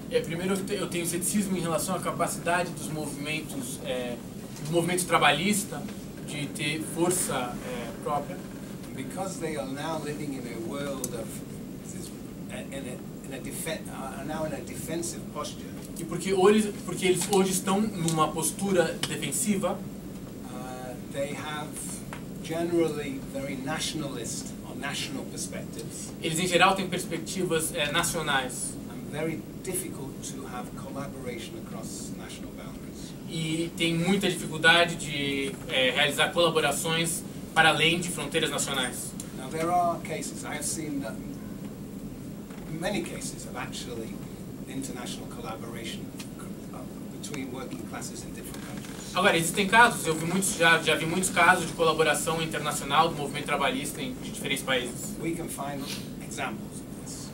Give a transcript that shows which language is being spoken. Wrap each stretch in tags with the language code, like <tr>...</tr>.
<pt>É, primeiro eu tenho ceticismo em relação à capacidade dos movimentos, do movimento trabalhista, de ter força própria.</pt> <en>Because they are now living in a world of this, in a defensive posture.</en> <pt>E porque eles hoje estão numa postura defensiva.</pt> <en>They have generally very nationalist or national perspectives.</en> <pt>Eles em geral têm perspectivas nacionais.</pt> <en>And very difficult to have collaboration across national boundaries.</en> <pt>E tem muita dificuldade de realizar colaborações para além de fronteiras nacionais.</pt> <en>Now there are cases. I have seen that many cases of actually international collaboration between working classes in different countries.</en> <pt>Agora, existem casos, já vi muitos casos de colaboração internacional do movimento trabalhista em diferentes países.</pt> <en>We can find examples of this.</en>